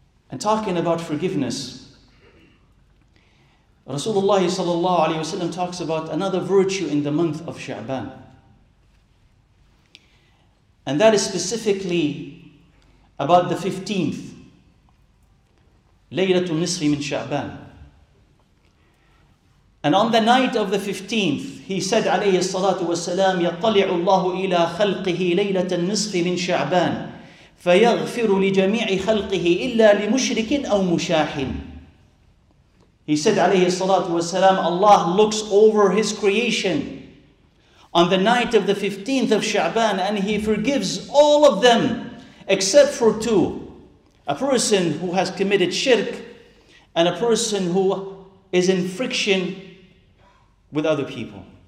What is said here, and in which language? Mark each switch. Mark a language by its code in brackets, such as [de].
[en] And talking about forgiveness, Rasulullah sallallahu alayhi wasallam talks about another virtue in the month of Sha'ban. And that is specifically about the 15th, Laylatul Nisfi min Sha'ban. And on the night of the 15th, He said, [ar] عليه الصلاة والسلام, يطلع الله إلى خلقه ليلة النصف من شعبان فيغفر لجميع خلقه إلا لمشرك أو مشاحن. [en] He said, [ar] عليه الصلاة والسلام, [en] Allah looks over His creation on the night of the 15th of Sha'ban and He forgives all of them except for two. A person who has committed shirk and a person who is in friction with other people.